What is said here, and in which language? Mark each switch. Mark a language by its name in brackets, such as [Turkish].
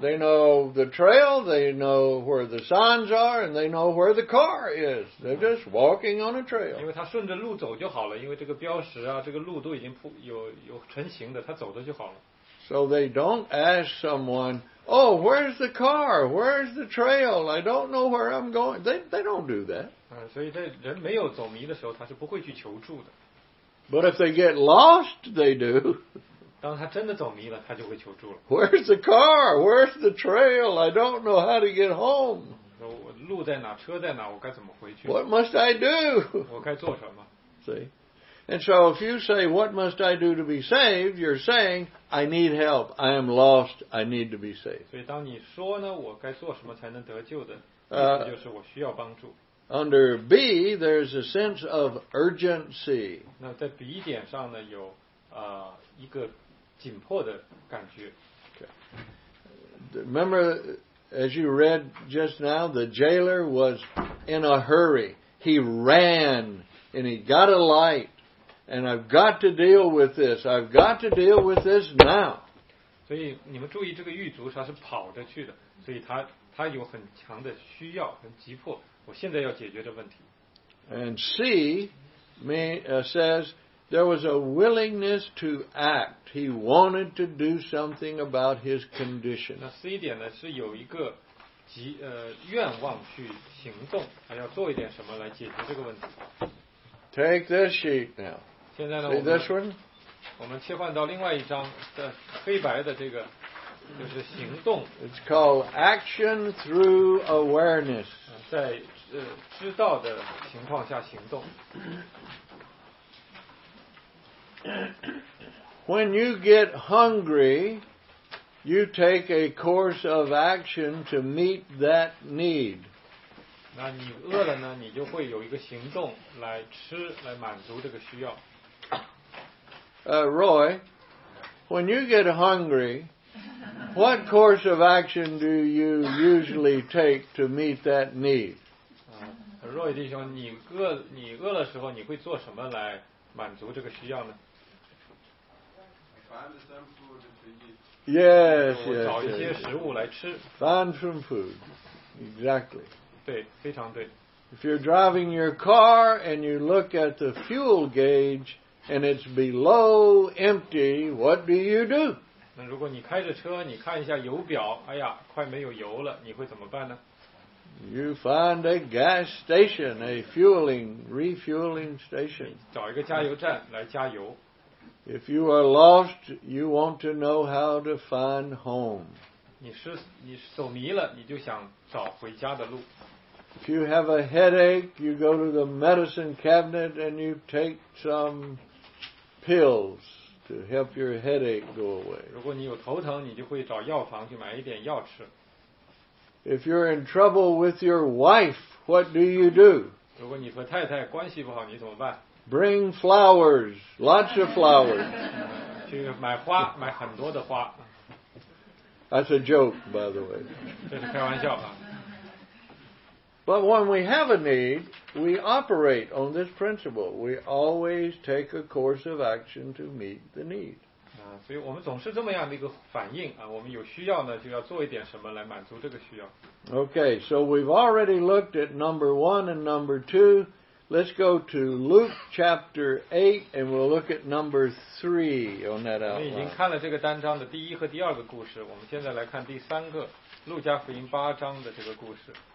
[English] They know the trail, they know where the signs are, and they know where the car is. They're just walking on a trail. [Chinese] 因为他顺着路走就好了，因为这个标识啊，这个路都已经有成型的，他走的就好了。 [English] So they don't ask someone, oh, where's the car? Where's the trail? I don't know where I'm going. They don't do that. [Chinese] 所以在人没有走迷的时候，他是不会去求助的。 [English] But if they get lost, they do. [Chinese] 当他真的走迷了，他就会求助了。 [English] Where's the car? Where's the trail? I don't know how to get home. [Chinese] 我路在哪？车在哪？我该怎么回去？ [English] What must I do? [Chinese] 我该做什么？ [English] See? And so if you say, what must I do to be saved? You're saying, I need help. I am lost. I need to be saved. [Chinese] 所以当你说呢，我该做什么才能得救的，就是我需要帮助。 [English] Under B, there's a sense of urgency. [Chinese] 那在 B 点上呢，有一个紧迫的感觉。 [English] Okay. Remember, as you read just now, the jailer was in a hurry. He ran and he got a light. And I've got to deal with this. I've got to deal with this now. [Chinese] 所以你们注意，这个狱卒他是跑着去的，所以他有很强的需要，很急迫。我现在要解决这问题。 [English] And C says there was a willingness to act. He wanted to do something about his condition. [Chinese] 那 C 点呢是有一个愿望去行动，还要做一点什么来解决这个问题。 [English] Take this sheet now. [Chinese] 现在呢 See this one? 我们切换到另外一张的黑白的这个。就是行动。 [English] It's called action through awareness. [Chinese] 在知道的情况下行动。 [English] When you get hungry, you take a course of action to meet that need. [Chinese] 那你饿了呢，你就会有一个行动来吃，来满足这个需要。 [English] Roy, when you get hungry,What course of action do you usually take to meet that need? [Chinese] Roy 弟兄，你饿的时候，你会做什么来满足这个需要呢？ [English] Find some food to eat. Yes, yes. [Chinese] 找一些食物来吃。 [English] Find some food. Exactly. [Chinese] 对，非常对。 [English] If you're driving your car and you look at the fuel gauge and it's below empty, what do you do? [Chinese] 如果你开着车，你看一下油表，哎呀，快没有油了，你会怎么办呢？ [English] You find a gas station, a refueling station. [Chinese] 找一个加油站来加油。 [English] If you are lost, you want to know how to find home. [Chinese] 你走迷了，你就想找回家的路。 [English] If you have a headache, you go to the medicine cabinet and you take some pills. to help your headache go away. [Chinese] 如果你有头疼，你就会找药房去买一点药吃。 [English] If you're in trouble with your wife, what do you do? [Chinese] 如果你和太太关系不好，你怎么办？ [English] Bring flowers, lots of flowers. [Chinese] 去买花，买很多的花。 [English] That's a joke, by the way. [Chinese] 这是开玩笑啊。 [English] But when we have a need, we operate on this principle. We always take a course of action to meet the need. [Chinese] 所以我们总是这么样的一个反应啊，我们有需要呢，就要做一点什么来满足这个需要。 [English] Okay, so we've already looked at number one and number two. Let's go to Luke chapter 8 and we'll look at number 3 on that outline. [Chinese] 我们已经看了这个单章的第一和第二个故事，我们现在来看第三个，路加福音八章的这个故事。